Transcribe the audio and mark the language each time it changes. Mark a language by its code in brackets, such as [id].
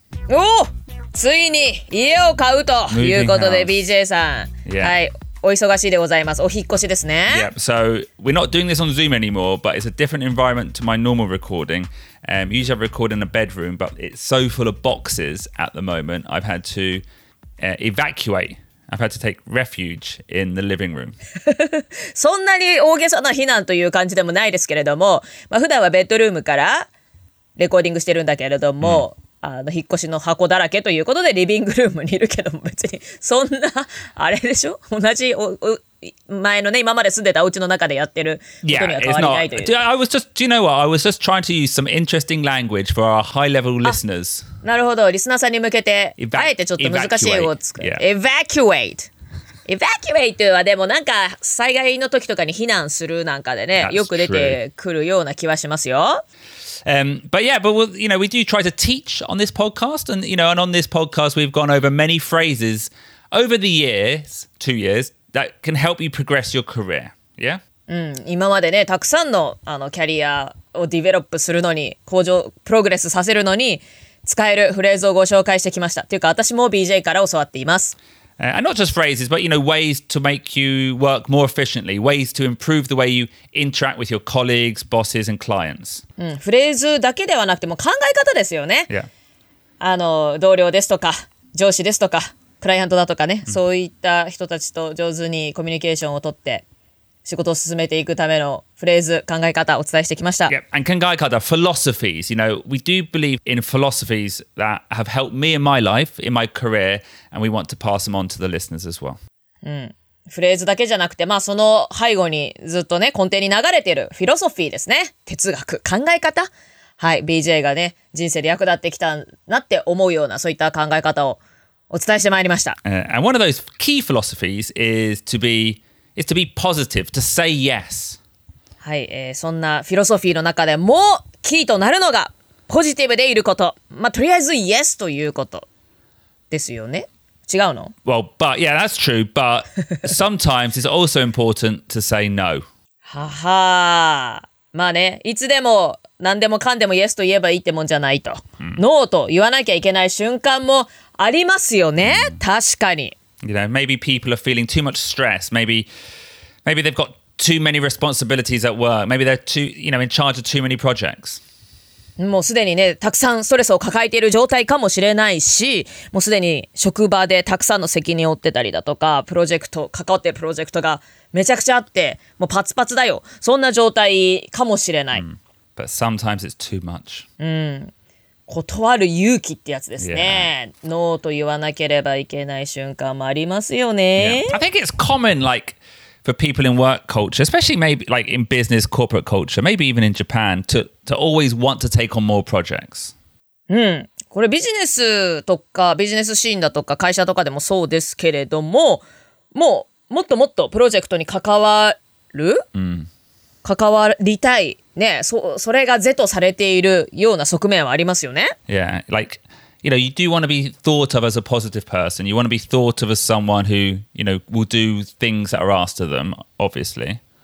[ja] おお、ついに家を買うということで、 BJ さん、 [en] yeah. [ja] はい、お忙しいでございます。お引っ越しですね。 [en] Yeah, so we're not doing this on Zoom anymore, but it's a different environment to my normal recording. Usually I record in a bedroom, but it's so full of boxes at the moment, I've had to evacuate. I've had to take refuge in the living room. [ja] そんなに大げさな避難という感じでもないですけれども、まあ、普段はベッドルームからレコーディングしてるんだけれども、うん、あの引っ越しの箱だらけということでリビングルームにいるけども、別にそんなあれでしょ、同じ前のね、今まで住んでたお家の中でやってることには変わりないという。 [en] Yeah, it's not. I was just, do you know what? I was just trying to use some interesting language for our high level listeners. [ja] なるほど、リスナーさんに向けてあえてちょっと難しい英語を使う。 [en] Evacuate. [ja] Evacuate はでもなんか災害の時とかに避難するなんかでね、よく出てくるような気はしますよ。 [en] But yeah, but we'll, you know, we do try to teach on this podcast, and you know, and on this podcast, we've gone over many phrases over the years, 2 years, that can help you progress your career. Yeah. [ja] うん、今までね、たくさんのあのキャリアをディベロップするのに、向上、プログレスさせるのに使えるフレーズをご紹介してきました。というか、私も BJ から教わっています。 [en] And not just phrases, but you know, ways to make you work more efficiently, ways to improve the way you interact with your colleagues, bosses, and clients. [ja] フレーズだけではなくても考え方ですよね。 [en] Yeah. [ja] あの、同僚ですとか、上司ですとか、クライアントだとかね、そういった人たちと上手にコミュニケーションをとって、仕事を進めていくためのフレーズ、考え方をお伝えしてきました。 [en] Yeah. And 考え方、philosophies. You know, we do believe in philosophies that have helped me in my life, in my career, and we want to pass them on to the listeners as well. うん。 [ja] フレーズだけじゃなくて、まあその背後にずっとね、根底に流れているフィロソフィーですね。哲学、考え方。はい、BJ がね、人生で役立ってきたなって思うような、そういった考え方をお伝えしてまいりました。 [en] And one of those key philosophies is to beIt's to be positive, to say yes. [ja] はい、そんなフィロソフィーの中でもキーとなるのがポジティブでいること。まあ、とりあえず yes ということですよね。違うの？ [en] Well, but yeah, that's true. But sometimes it's also important to say no. ははー。 [ja] まあね、いつでも何でもかんでも yes と言えばいいってもんじゃないと。 [en] No、mm. [ja] と言わなきゃいけない瞬間もありますよね。 Mm. 確かに。 [en] You know, maybe people are feeling too much stress. Maybe they've got too many responsibilities at work. Maybe they're too, you know, in charge of too many projects. [ja] もうすでにね、たくさんストレスを抱えている状態かもしれないし、もうすでに職場でたくさんの責任を負ってたりだとか、プロジェクト、関わっているプロジェクトがめちゃくちゃあって、もうパツパツだよ。そんな状態かもしれない。 Mm. [en] But sometimes it's too much. うん。 [ja] 断る勇気ってやつですね。 [en] ノー、yeah. [ja] と言わなければいけない瞬間もありますよね。 [en] Yeah. I think it's common like for people in work culture, especially maybe like in business corporate culture, maybe even in Japan, to always want to take on more projects. うん。 [ja] これビジネスとかビジネスシーンだとか会社とかでもそうですけれども、もうもっともっとプロジェクトに関わる、 mm. 関わりたい。ね、それが是とされているような側面はありますよね。 [en] Yeah, like, you know, you do want to be thought of as a positive person. You want to be thought of as someone who, you know, will do things that are asked of them, obviously.